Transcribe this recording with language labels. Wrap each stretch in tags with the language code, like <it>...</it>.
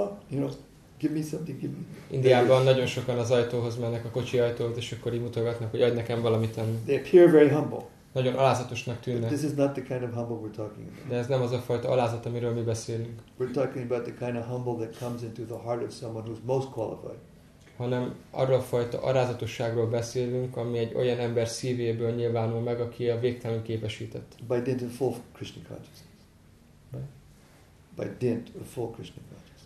<en>You know, give me something, give me.</en> <hu>Indiában nagyon sokan az ajtóhoz mennek, a kocsi ajtóhoz, és akkor így mutogatnak, hogy adj nekem valamit enni.</hu> <en>They appear very humble.</en> <hu>Nagyon alázatosnak tűnnek.</hu> <en>But this is not the kind of humble we're talking about.</en> <hu>De ez nem az a fajta alázat, amiről mi beszélünk.</hu> <en>We're talking about the kind of humble that comes into the heart of someone who's most qualified.</en> <hu>Hanem arról a fajta alázatosságról beszélünk, ami egy olyan ember szívéből nyilvánul meg, aki a végtelenül képesített.</hu> <en>By dint of full Krishna consciousness. By dint of full Krishna consciousness.</en>